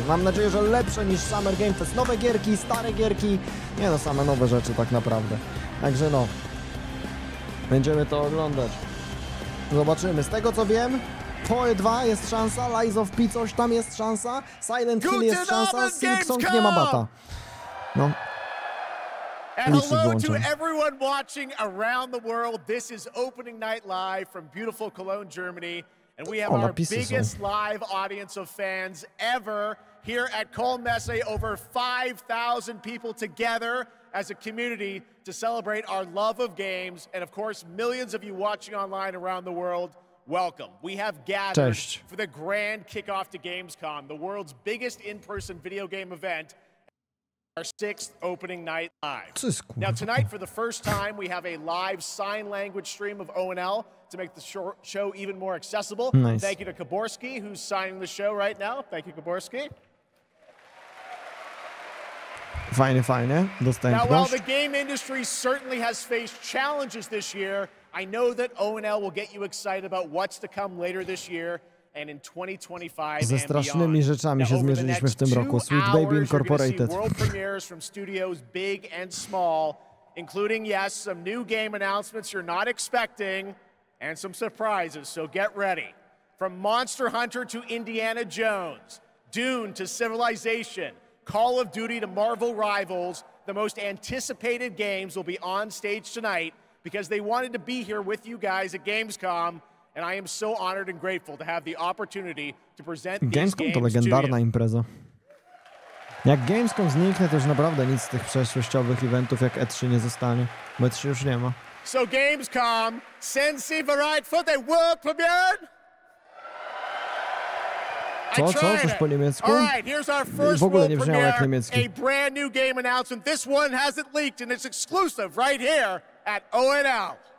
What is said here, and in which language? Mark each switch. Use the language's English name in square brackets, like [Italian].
[Polish] Mam nadzieję, że lepsze niż Summer Game Fest. Nowe gierki, stare gierki, nie no, same nowe rzeczy tak naprawdę. Także no, będziemy to oglądać. Zobaczymy. Z tego co wiem, POE 2 jest szansa, Lies of P coś tam jest szansa, Silent Hill jest szansa, Silksong nie ma bata. No. [English] And hello to everyone watching around the world. This is Opening Night Live from beautiful Cologne, Germany. And we have our biggest live audience of fans ever here at Kölnmesse. Over 5,000 people together as a community to celebrate our love of games. And of course, millions of you watching online around the world. Welcome. We have gathered [Polish] Cześć. [English] For the grand kickoff to Gamescom, the world's biggest in-person video game event. Our sixth opening night live. Now tonight, for the first time, we have a live sign language stream of ONL to make the show even more accessible. Nice. Thank you to Kaborski, who's signing the show right now. Thank you, Kaborski. Fine, fine. [Polish] Dostępność. [English] Now, while the game industry certainly has faced challenges this year, I know that ONL will get you excited about what's to come later this year. And in 2025 [Polish] ze strasznymi rzeczami się zmierzyliśmy w tym roku. [English] Sweet Baby Incorporated. World premieres from studios big and small, including, yes, some new game announcements you're not expecting, and some surprises, so get ready. From Monster Hunter to Indiana Jones, Dune to Civilization, Call of Duty to Marvel Rivals, the most anticipated games will be on stage tonight because they wanted to be here with you guys at Gamescom. And I am so honored and grateful to have the opportunity to present these Gamescom [Polish] to legendarna impreza. Jak Gamescom zniknie, to już naprawdę nic z tych przeszłościowych eventów jak E3 nie zostanie, bo E3 już nie ma. [English] So Gamescom, sensi bereit for the world premiere? [Polish] Co, co? Coś po niemiecku? W ogóle nie brzmiało jak niemiecki. [English] A brand new game announcement. This one hasn't leaked and it's exclusive right here at ONL.